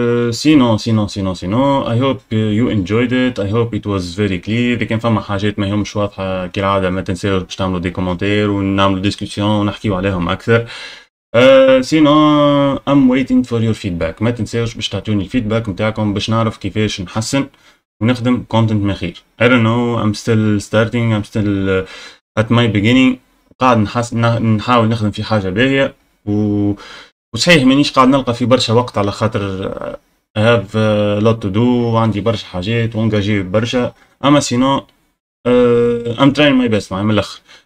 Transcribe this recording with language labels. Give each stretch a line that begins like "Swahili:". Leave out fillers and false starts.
Arabic: سينو سينو سينو سينو
English: I hope you enjoyed it, I hope it was very clear.
Arabic: اذا كان فما حاجات ما همش واضحه كالعاده ما تنساوش باش تعملوا دي كومونتير ونعملوا ديسكوسيون ونحكيوا عليهم اكثر. سينو
English: am waiting for your feedback,
Arabic: ما تنساوش باش تعطوني الفيدباك نتاعكم باش نعرف كيفاش نحسن ونخدم كونتنت مخير.
English: I don't know, I'm still starting, I'm still at my beginning.
Arabic: قاعد نحاول نخدم في حاجة باهية، وصحيح مانيش قاعد نلقى في برشا وقت على خاطر
English: I have a lot to do
Arabic: وعندي برشا حاجات وانجاجي برشا.
English: أما سينو I'm trying my best
Arabic: من الأخر.